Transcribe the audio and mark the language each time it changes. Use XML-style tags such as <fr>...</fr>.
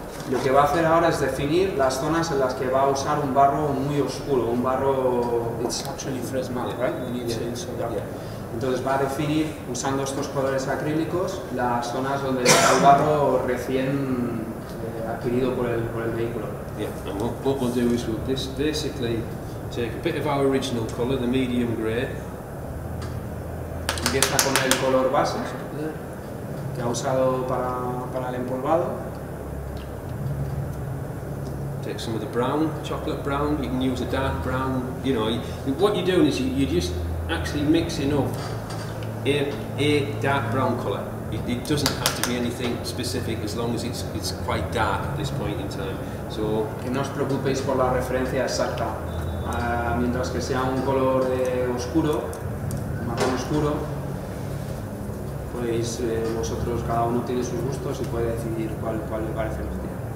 <es>Lo que va a hacer ahora es definir las zonas en las que va a usar un barro muy oscuro, un barro...</es> <en>It's actually fresh mud, right? We need to insert that. Yeah.</en> <es>Entonces va a definir, usando estos colores acrílicos, las zonas donde está el barro recién adquirido por el vehículo.</es> <en>Yeah, and what we'll do is we'll basically take a bit of our original color, the medium gray.</en> <es>Empieza con el color base, que ha usado para el empolvado.</es> <en>Take some of the brown, chocolate brown, you can use a dark brown, you know, what you're doing is you're just actually mixing up a dark brown colour. It doesn't have to be anything specific as long as it's quite dark at this point in time. So</en> <es>que no os preocupéis por la referencia exacta. Mientras que sea un color oscuro, marrón oscuro, pues vosotros cada uno tiene sus gustos y puede decidir cuál le parece mejor.</es>